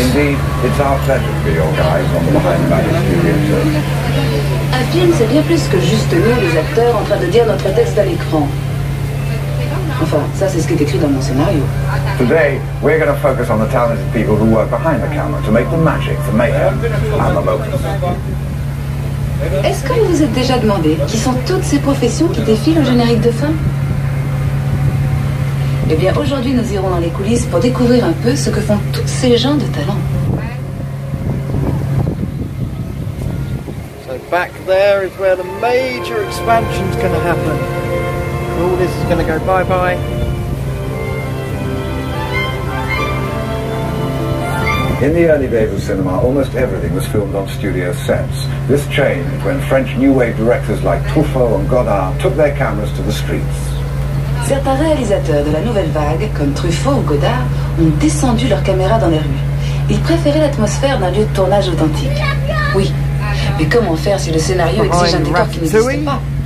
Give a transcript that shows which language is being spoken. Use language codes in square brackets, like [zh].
[en] Indeed, it's our pleasure to be your guys on the Behind the Magic Studio Tour. [fr] Un film, c'est bien plus que juste nous, les acteurs, en train de dire notre texte à l'écran. Enfin, ça, c'est ce qui est écrit dans mon scénario. [en] Today, we're going to focus on the talented people who work behind the camera to make the magic, the mayhem, and the moments. [fr] Est-ce que vous vous êtes déjà demandé qui sont toutes ces professions qui défilent au générique de fin? Eh bien, aujourd'hui, nous irons dans les coulisses pour découvrir un peu ce que font tous ces gens de talent. [en] So back there is where the major expansion is going to happen. All this is going to go bye-bye. In the early days of cinema, almost everything was filmed on studio sets. This changed when French New Wave directors like Truffaut and Godard took their cameras to the streets. [fr] Certains réalisateurs de la nouvelle vague, comme Truffaut ou Godard, ont descendu leurs caméras dans les rues. Ils préféraient l'atmosphère d'un lieu de tournage authentique. Oui, mais comment faire si le scénario exige un décor qui n'existe pas?